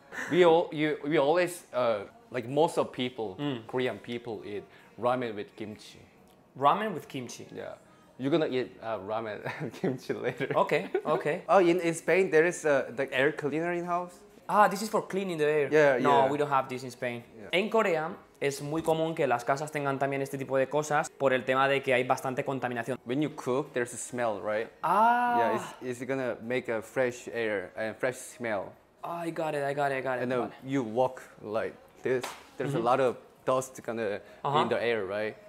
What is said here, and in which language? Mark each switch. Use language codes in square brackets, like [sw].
[en] We always most of people, Korean people, eat ramen with kimchi. Ramen with kimchi? Yeah. You're gonna eat ramen and kimchi later. Okay, okay. Oh, in Spain, there is the air cleaner in house. Ah, this is for cleaning the air. No, we don't have this in Spain. Yeah. [es] En Corea, es muy común que las casas tengan también este tipo de cosas por el tema de que hay bastante contaminación. [en] When you cook, there's a smell, right? Ah. Yeah, it's gonna make a fresh air and fresh smell. Oh, I got it. And then you walk like this, there's a lot of dust gonna in the air, right?